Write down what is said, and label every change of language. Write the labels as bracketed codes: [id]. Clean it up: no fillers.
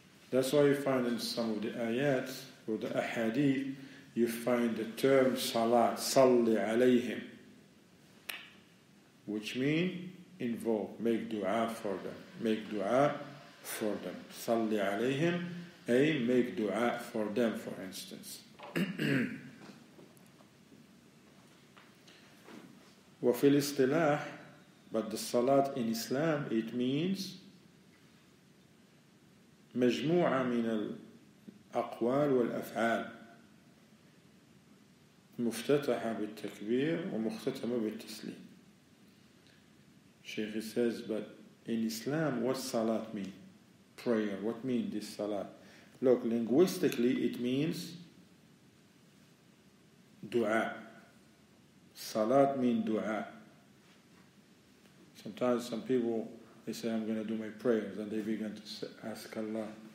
[en] That's why you find in some of the ayats or the ahadith, you find the term salat, salli alayhim, which means invoke, make dua for them, make dua for them. Salli alayhim, a make dua for them, for instance. [ar] وفي الاصطلاح, [en] but the salat in Islam, it means [ar] مجموعة من الأقوال والأفعال مفتتحة بالتكبير ومختتمة بالتسليم. [en] Sheikh says, but in Islam, what salat mean? Prayer, what mean this salat? Look, linguistically, it means dua. Salat mean dua. Sometimes some people, they say, I'm going to do my prayers, and they begin to ask Allah.